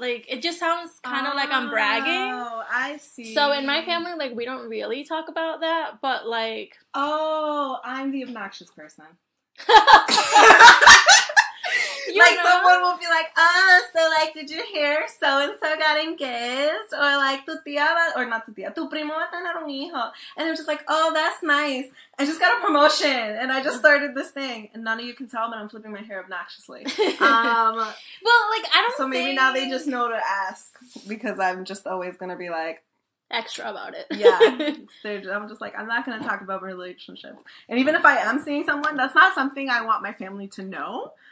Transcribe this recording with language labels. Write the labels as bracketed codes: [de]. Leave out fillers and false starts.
[en] Like, it just sounds kind of like I'm bragging. Oh, I see. So in my family, like, we don't really talk about that, but like, oh, I'm the obnoxious person. Someone will be like, so like, did your hair so and so got engaged? Or like, [es] tu tía va, [en] or not [es] tu tía, tu primo va a tener un hijo. [en] And I'm just like, oh, that's nice. I just got a promotion and I just started this thing. And none of you can tell, but I'm flipping my hair obnoxiously. well, like, I don't know. So maybe think... now they just know to ask because I'm just always going to be like, extra about it. Yeah. I'm just like, I'm not going to talk about relationships. And even if I am seeing someone, that's not something I want my family to know.